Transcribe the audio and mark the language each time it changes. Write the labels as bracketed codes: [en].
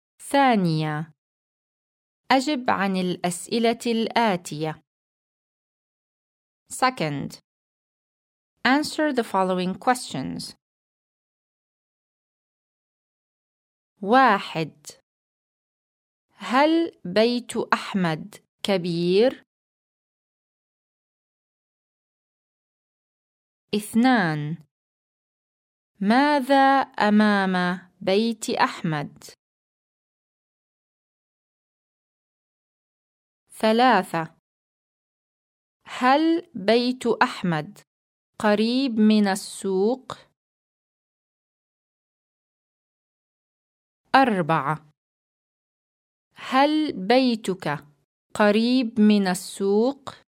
[ar] ثانية، أجب عن الأسئلة الآتية. [en] Second, answer the following questions. [ar] واحد، هل بيت أحمد كبير؟ اثنان، ماذا أمام بيت أحمد؟ ثلاثة، هل بيت أحمد قريب من السوق؟ أربعة، هل بيتك قريب من السوق؟